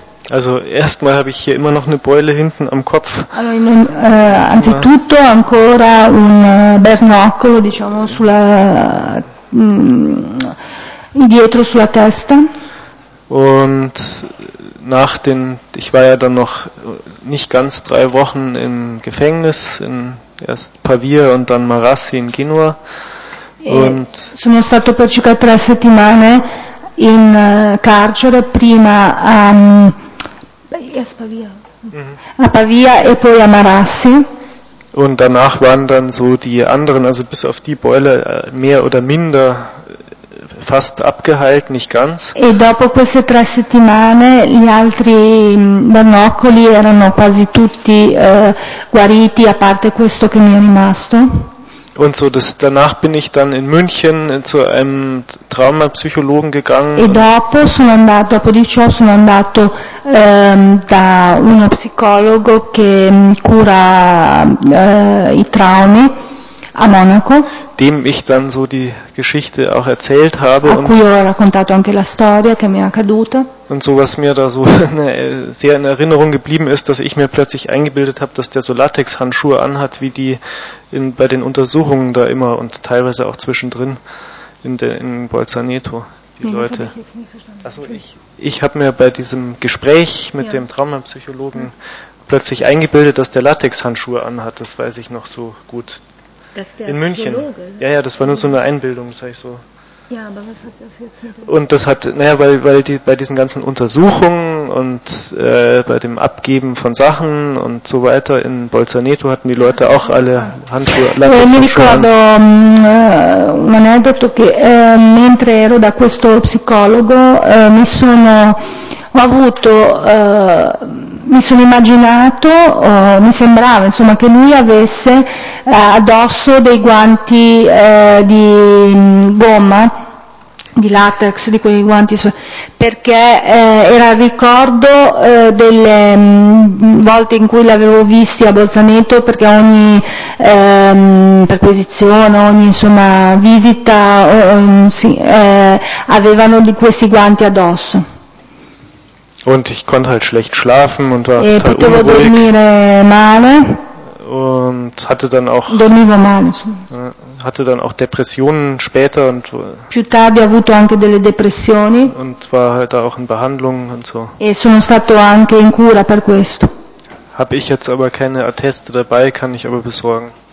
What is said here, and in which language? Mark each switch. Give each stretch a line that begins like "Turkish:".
German: Also erstmal habe ich hier immer noch eine Beule hinten am Kopf.
Italian: Anzitutto ancora un bernoccolo, diciamo, sulla dietro sulla testa.
German: Und nach den, ich war ja dann noch nicht ganz 3 Wochen im Gefängnis, in erst Pavia und dann Marassi in Genua. Und
Italian: sono stato per circa 3 settimane in carcere, prima a Pavia e poi a Marassi.
German: Und danach waren dann so die anderen, also bis auf die Beule, mehr oder minder fast abgeheilt, nicht ganz.
Italian: E dopo queste 3 settimane gli altri bernoccoli erano quasi tutti guariti, a parte questo che mi è rimasto.
German: Und so das, danach bin ich dann in München zu einem Traumapsychologen gegangen.
Italian: E dopo sono andato, dopo di ciò sono andato da uno psicologo che cura i traumi a Monaco.
German: Dem ich dann so die Geschichte auch erzählt habe.
Italian: A cui ho raccontato anche la storia che mi è accaduta.
German: Und so was mir da so sehr in Erinnerung geblieben ist, dass ich mir plötzlich eingebildet habe, dass der so Latex-Handschuhe anhat, wie die in, bei den Untersuchungen da immer und teilweise auch zwischendrin in Bolzaneto, die Leute. Also ich habe mir bei diesem Gespräch mit dem Traumapsychologen plötzlich eingebildet, dass der Latex-Handschuhe anhat, das weiß ich noch so gut. In München. Psychologe. Ja, das war nur so eine Einbildung, sag ich so. Ja, aber was hat das jetzt mit dem? Und das hat, naja, weil die bei diesen ganzen Untersuchungen und bei dem Abgeben von Sachen und so weiter in Bolzaneto hatten die Leute auch alle Handschuhe.
Italian: Mi ricordo un aneddoto che mentre ero da questo psicologo mi sembrava insomma che lui avesse addosso dei guanti di gomma, di latex, di quei guanti, perché era il ricordo delle volte in cui l'avevo visti a Bolzaneto, perché ogni perquisizione, ogni insomma visita avevano di questi guanti addosso.
German: Und ich konnte halt schlecht schlafen und war
Italian: e
German: total unruhig.
Italian: Potevo dormire male.
German: Und hatte dann auch,
Italian: dormivo male.
German: Hatte dann auch Depressionen später und
Italian: più tardi ho avuto anche delle depressioni.
German: Und war halt auch in Behandlung und so.
Italian: E sono stato anche in cura per questo.
German: Habe ich jetzt aber keine Atteste dabei, kann ich aber besorgen.